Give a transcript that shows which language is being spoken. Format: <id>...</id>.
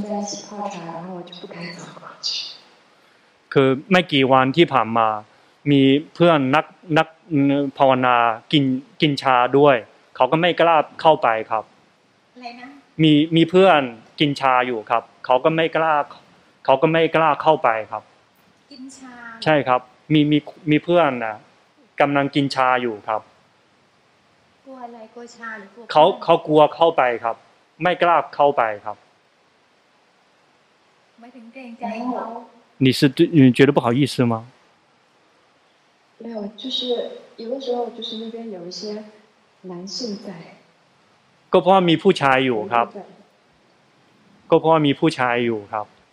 <zh>在一起泡茶，然后我就不敢走过去。</zh> <th>คือไม่กี่วันที่ผ่านมามีเพื่อนนักภาวนากินชาด้วยเขาก็ไม่กล้าเข้าไปครับ อะไรนะ มีเพื่อนกินชาอยู่ครับเขาก็ไม่กล้าเข้าไปครับ กินชา ใช่ครับมีเพื่อนนะกำลังกินชาอยู่ครับ กลัวอะไรกลัวชาหรือ กลัวเขากลัวเข้าไปครับไม่กล้าเข้าไปครับ ไม่ถึงเกรงใจ</th> <zh>你是对你觉得不好意思吗没有就是有的时候就是那边有一些男性在</zh> <th>ก็เพราะมีผู้ชายอยู่ครับก็เพราะมีผู้ชายอยู่ครับ</th>